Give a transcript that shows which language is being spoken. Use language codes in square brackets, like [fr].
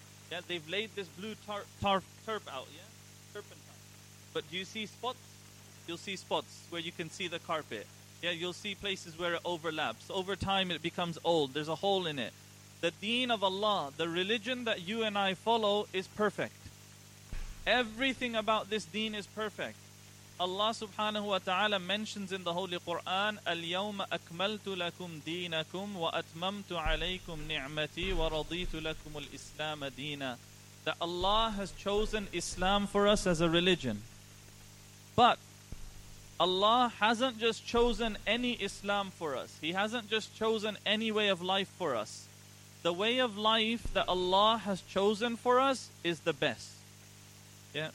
[en] Yeah, they've laid this blue tarp out. Yeah, turpentine. But do you see spots? You'll see spots where you can see the carpet. Yeah, you'll see places where it overlaps. Over time, it becomes old. There's a hole in it. The deen of Allah, the religion that you and I follow, is perfect. Everything about this deen is perfect. Allah subhanahu wa ta'ala mentions in the Holy Quran, [ar] الْيَوْمَ أَكْمَلْتُ لَكُمْ دِينَكُمْ وَأَتْمَمْتُ عَلَيْكُمْ نِعْمَتِي وَرَضِيتُ لَكُمُ الْإِسْلَامَ دِينًا. [en] That Allah has chosen Islam for us as a religion. But Allah hasn't just chosen any Islam for us. He hasn't just chosen any way of life for us. The way of life that Allah has chosen for us is the best. Yeah.